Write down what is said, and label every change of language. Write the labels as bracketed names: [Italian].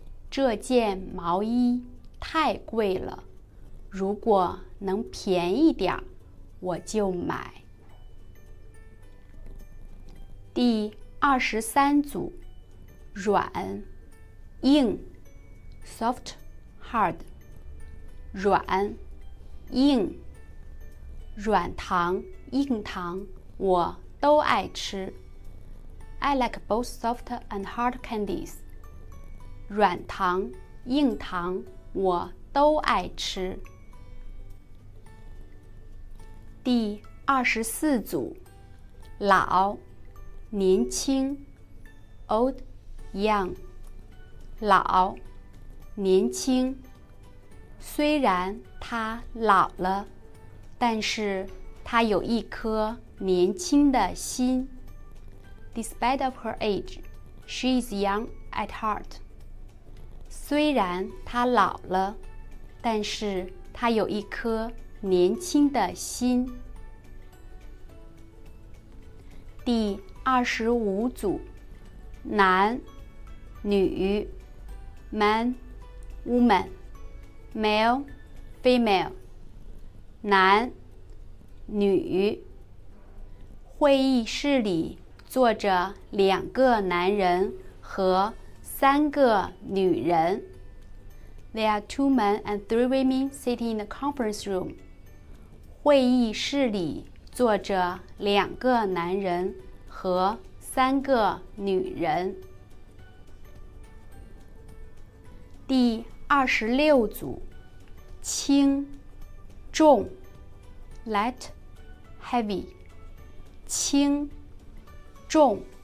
[Chinese] 这件毛衣太贵了，如果能便宜点儿，我就买。第二十三组，软，硬 ，soft。 Hard， 软，硬，软糖、硬糖我都爱吃。 [English] I like both soft and hard candies。 [Chinese] 软糖、硬糖我都爱吃。第二十四组，老，年轻 ，old， young， 老，年轻。虽然他老了，但是他有一颗年轻的心。 [English] Despite of her age, she is young at heart. [Chinese] 虽然他老了，但是他有一颗年轻的心。第二十五组，男，女 ，man, woman。 [English] Male, female, 男，女。 [Chinese] 会议室里坐着两个男人和三个女人。 [English] There are two men and three women sitting in the conference room. [Chinese] 会议室里坐着两个男人和三个女人。第二十六组，轻，重 ，light, heavy， 轻，重。